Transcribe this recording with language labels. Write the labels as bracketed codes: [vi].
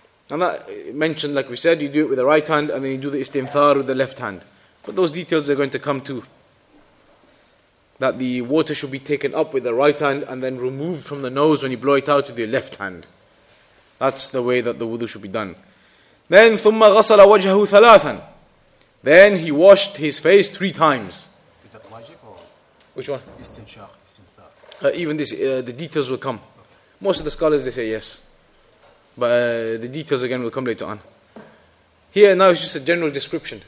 [en] And that mentioned, like we said, you do it with the right hand and then you do the istinthar with the left hand. But those details are going to come too. That the water should be taken up with the right hand and then removed from the nose when you blow it out with your left hand. That's the way that the wudu should be done. Then, [ar] ثُمَّ غَسَلَ وَجْهَهُ ثَلَاثًا. [en] Then he washed his face three times. Is that wajib or? Which one? Istinshaq, istinthar. Even this, the details will come. Okay. Most of the scholars, they say yes. But the details again will come later on. Here now is just a general description.